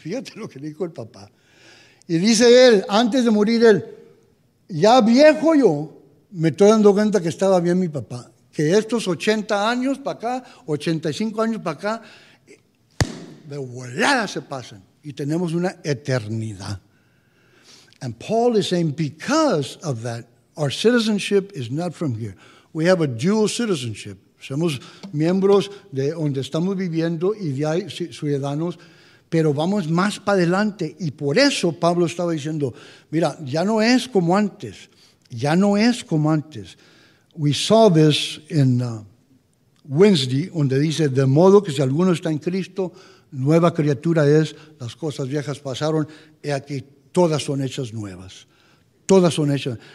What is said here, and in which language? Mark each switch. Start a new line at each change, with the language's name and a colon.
Spanish: Fíjate lo que dijo el papá. Y dice él, antes de morir él, ya viejo yo, me estoy dando cuenta que estaba bien mi papá. Que estos 80 años para acá, 85 años para acá, de volada se pasan. Y tenemos una eternidad.
English: And Paul is saying, because of that, our citizenship is not from here. We have a dual citizenship.
Spanish: Somos miembros de donde estamos viviendo y de ahí ciudadanos, pero vamos más para adelante. Y por eso Pablo estaba diciendo, mira, ya no es como antes. Ya no es como antes.
English: We saw this in Wednesday,
Spanish: donde dice, de modo que si alguno está en Cristo, nueva criatura es, las cosas viejas pasaron, y aquí todas son hechas nuevas. Todas son hechas.